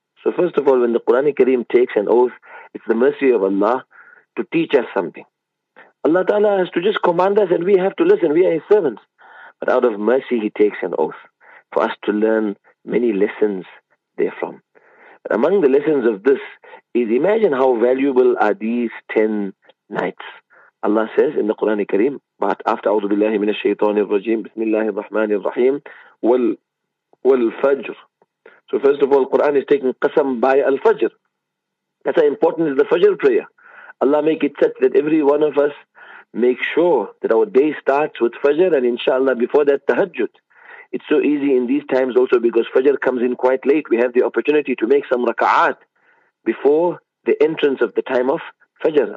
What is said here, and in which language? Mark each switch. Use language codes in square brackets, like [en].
[en] So first of all, when the Qur'an al-Kareem takes an oath, it's the mercy of Allah to teach us something. Allah ta'ala has to just command us and we have to listen. We are His servants. But out of mercy, He takes an oath for us to learn many lessons therefrom. Among the lessons of this is, imagine how valuable are these 10 nights. Allah says in the Quran al-Kareem, but after [ar] أعوذ بالله من الشيطان الرجيم بسم الله الرحمن الرحيم والفجر. [en] So first of all, Quran is taking qasam by al-fajr. That's how important is the fajr prayer. Allah make it such that every one of us make sure that our day starts with fajr, and inshallah before that tahajjud. It's so easy in these times also because Fajr comes in quite late. We have the opportunity to make some raka'at before the entrance of the time of Fajr.